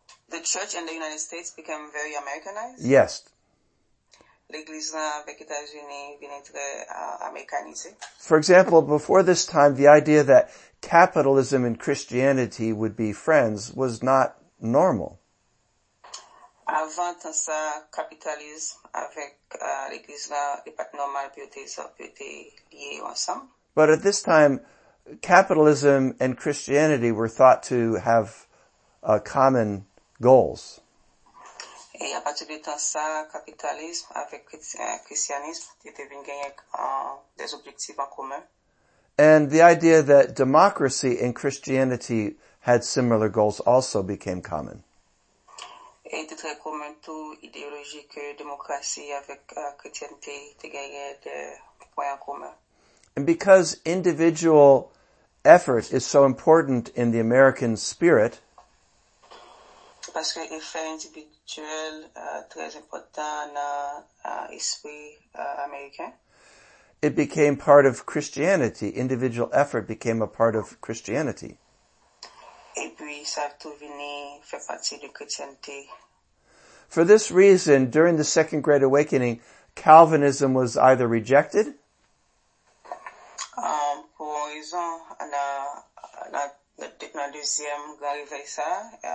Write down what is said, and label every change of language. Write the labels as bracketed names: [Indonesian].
[English] The church in the United States became very Americanized? Yes. [French] L'église avec États-Unis vient être américanisée. [English] For example, before this time, the idea that capitalism and Christianity would be friends was not normal. [French] Avant ça, capitalisme avec l'église n'est pas normal, puis lié ensemble. [English] But at this time, capitalism and Christianity were thought to have common goals. [French] Et à partir de temps ça, capitalisme avec christianisme était venu gagner des objectifs en commun. [English] And the idea that democracy and Christianity had similar goals also became common. [French] Et c'était très commun tout idéologie que démocratie avec chrétienté était gagné des points en commun. [English] And because individual effort is so important in the American spirit, [French] parce que l'effort individuel très important dans l'esprit américain. [English] It became part of Christianity. Individual effort became a part of Christianity. [French] Et puis ça a tout venu faire partie de chrétienté. [English] For this reason, during the Second Great Awakening, Calvinism was either rejected. [French] Pour raison, dans la deuxième grande réveil ça,